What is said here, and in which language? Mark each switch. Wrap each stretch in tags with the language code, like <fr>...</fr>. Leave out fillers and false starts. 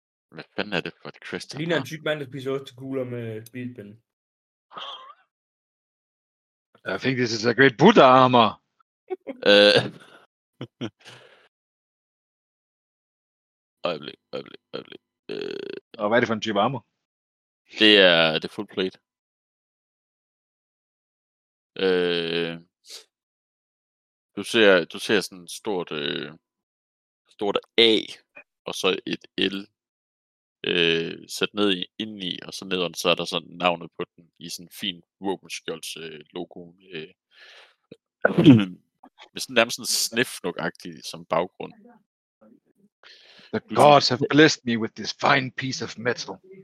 <da>Hvad fanden er det for et crystal? Det ligner en tyk mand, der spiser også til guler med spilpinde.</da> <en>I think this is a great Buddha armor.</en> <da>Øjeblik. Og hvad er det for en type armor? Det er full plate. Du ser sådan et stort A, og så et L sat ned indeni, og så nedenunder, så er der sådan navnet på den i sådan en fin våbenskjolds logo. Med sådan nærmest sådan snifnuk-agtigt som baggrund.</da> <en>The gods have blessed me with this fine piece of metal.</en>